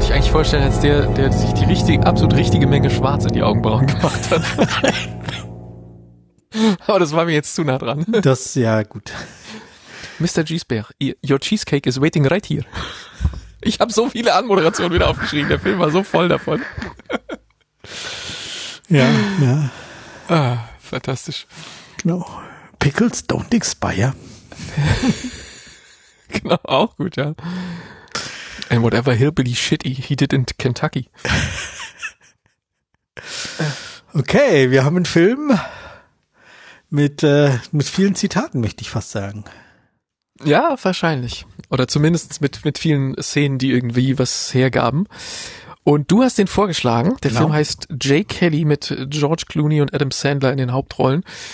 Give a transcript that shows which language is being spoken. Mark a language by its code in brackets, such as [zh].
[de] Vorstellen, als der sich die absolut richtige Menge Schwarz in die Augenbrauen gemacht hat. Aber das war mir jetzt zu nah dran. Das, ja, gut. [en] Mr. Giesbeer, your cheesecake is waiting right here. [de] Ich habe so viele Anmoderationen wieder aufgeschrieben, der Film war so voll davon. Ja, ja. Ah, fantastisch. [en] Genau. Pickles don't expire. [de] Genau, auch gut, ja. [en] And whatever hillbilly shit he did in Kentucky. [de] Okay, wir haben einen Film mit vielen Zitaten, möchte ich fast sagen. Ja, wahrscheinlich. Oder zumindest mit vielen Szenen, die irgendwie was hergaben. Und du hast den vorgeschlagen. Der Film heißt Jay Kelly mit George Clooney und Adam Sandler in den Hauptrollen.